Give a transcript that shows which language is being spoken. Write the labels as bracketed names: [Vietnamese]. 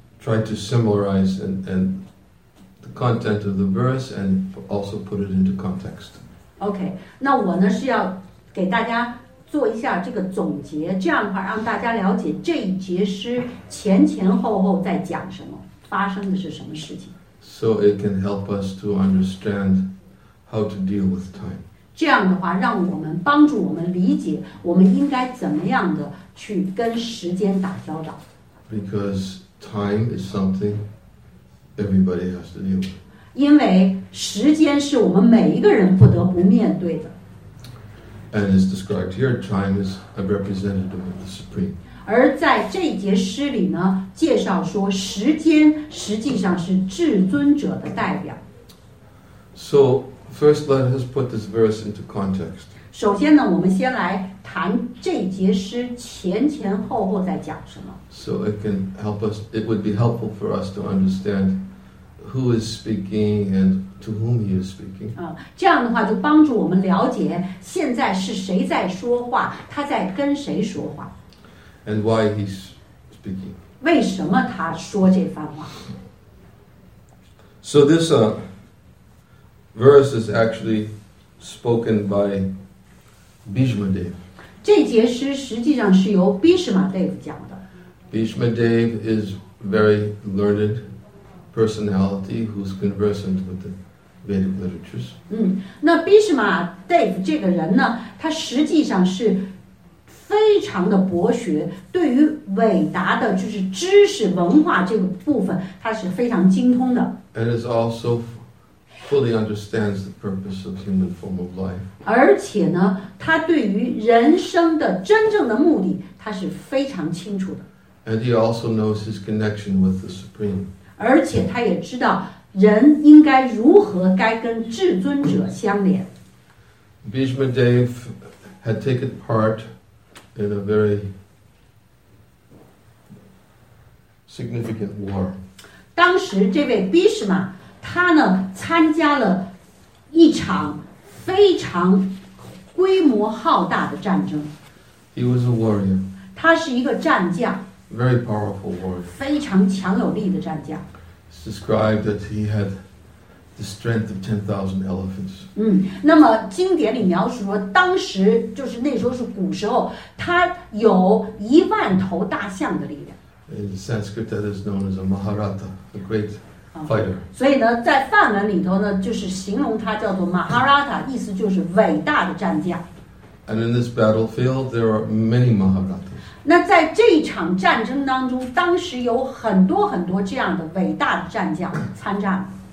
[English] Try to summarize and the content of the verse, and also put it into context. [Chinese] Okay, 那我呢是要给大家做一下这个总结，这样的话让大家了解这一节诗前前后后在讲什么，发生的是什么事情。 [English] So it can help us to understand how to deal with time. [Chinese] 这样的话让我们帮助我们理解我们应该怎么样的去跟时间打交道。 [English] Because time is something everybody has to deal with. [Chinese] 因为时间是我们每一个人不得不面对的。 [English] And as described here, time is a representative of the supreme. [Chinese] 而在这节诗里呢，介绍说时间实际上是至尊者的代表。 [English] So first, let us put this verse into context. [Chinese] 首先呢，我们先来谈这节诗前前后后在讲什么。 [English] So it can help us. It would be helpful for us to understand who is speaking and to whom he is speaking. [Chinese] 这样的话就帮助我们了解现在是谁在说话，他在跟谁说话。 [English] And why he's speaking. [Chinese] 为什么他说这番话。 [English] So this verse is actually spoken by Bhishma Dev. [Chinese] 这节诗实际上是由 Bhishma Dev 讲的。 [English] Bhishma Dev is very learned personality who's conversant with the Vedic literatures. [Chinese] 那 Bhishma Dev 这个人呢，他实际上是非常的博学，对于伟达的就是知识文化这个部分，他是非常精通的。 [English] And is also fully understands the purpose of human form of life. [Chinese] 而且呢，他对于人生的真正的目的，他是非常清楚的。 [English] And he also knows his connection with the Supreme. [Chinese] 而且他也知道人应该如何该跟至尊者相连。 [English] Bhishma Dev had taken part in a very significant war. [Chinese] 当时这位 Bhishma 他呢参加了一场非常规模浩大的战争。 [English] He was a warrior. [Chinese] 他是一个战将。 [English] Very powerful warrior. [Chinese] 非常强有力的战将。 [English] It's described that he had the strength of 10,000 elephants. [Chinese] 那么经典里描述说，当时就是那时候是古时候，他有一万头大象的力量。 [English] In Sanskrit, that is known as a Maharatha, a great fighter. [Chinese] 所以呢，在梵文里头呢，就是形容他叫做 Maharatha， 意思就是伟大的战将。 [English] And in this battlefield, there are many Maharathas. [Chinese] 那在这场战争当中，当时有很多很多这样的伟大的战将参战。